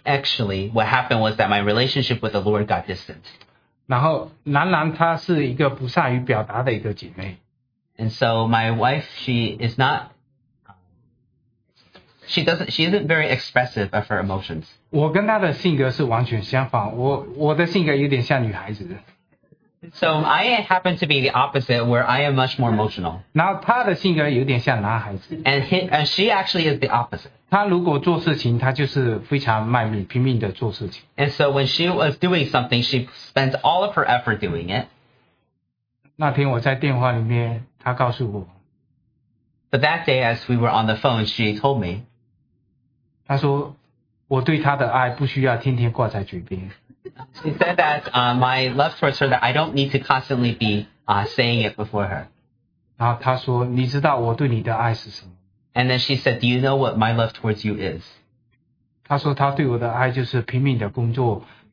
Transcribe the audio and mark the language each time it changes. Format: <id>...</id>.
<en>actually, what happened was that my relationship with the Lord got distant.</en> <zh>然后楠楠她是一个不善于表达的一个姐妹。</zh> <en>And so my wife, she isn't very expressive of her emotions.</en> <zh>我跟她的性格是完全相反,我的性格有点像女孩子。</zh> <en>So I happen to be the opposite, where I am much more emotional.</en> <zh>然后她的性格有点像男孩子。</zh> <en>And she actually is the opposite.</en> <zh>她如果做事情,她就是非常卖命,拼命地做事情。</zh> <en>And so when she was doing something, she spent all of her effort doing it.</en> <zh>那天我在电话里面, 她告诉我,</zh> <en>But that day, as we were on the phone, she told me,</en> <zh>她说,</zh> <en>She said that my love towards her, that I don't need to constantly be saying it before her.</en> <zh>然后她说,</zh> <en>And then she said, Do you know what my love towards you is?</en> <zh>她说她对我的爱就是拼命的工作,</zh>